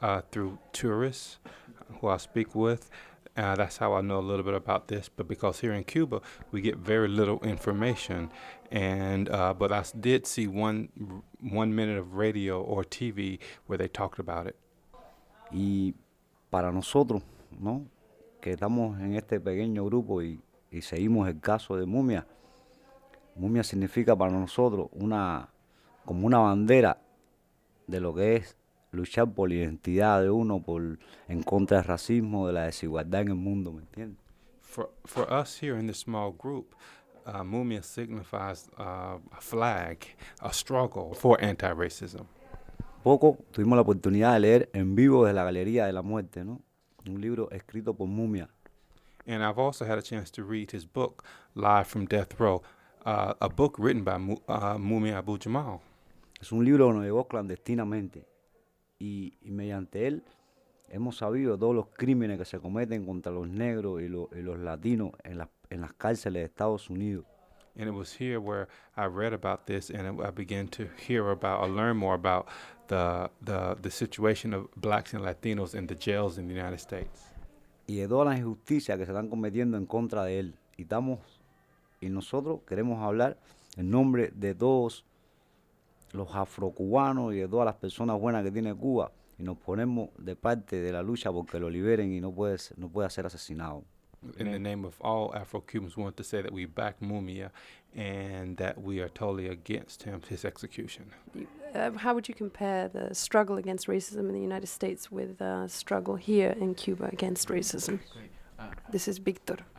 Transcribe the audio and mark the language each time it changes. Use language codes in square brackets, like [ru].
[en] Through tourists who I speak with, that's how I know a little bit about this, but because here in Cuba, we get very little information. But I did see one minute of radio or TV where they talked about it. [es] Y para nosotros, ¿no?, que estamos en este pequeño grupo y seguimos el caso de Mumia. Mumia significa para nosotros como una bandera de lo que es luchar por la identidad de uno, por en contra del racismo, de la desigualdad en el mundo, ¿me entiendes? [en] For us here in this small group, Mumia signifies a flag, a struggle for anti-racism. [es] Poco tuvimos la oportunidad de leer en vivo desde la Galería de la Muerte, ¿no?, un libro escrito por Mumia. [en] And I've also had a chance to read his book, Live from Death Row, a book written by Mumia Abu-Jamal. [es] Es un libro que nos llegó clandestinamente y mediante él hemos sabido todos los crímenes que se cometen contra los negros y los latinos en las cárceles de Estados Unidos. [en] And it was here where I read about this and I began to hear about or learn more about the situation of blacks and latinos in the jails in the United States. [es] Y de todas las injusticias que se están cometiendo en contra de él. Y nosotros queremos hablar en nombre de todos los afrocubanos y de todas las personas buenas que tiene Cuba, y nos ponemos de parte de la lucha porque lo liberen y no puede ser asesinado. [en] In the name of all Afro-Cubans, we want to say that we back Mumia and that we are totally against him, his execution. How would you compare the struggle against racism in the United States with the struggle here in Cuba against racism? This is Victor.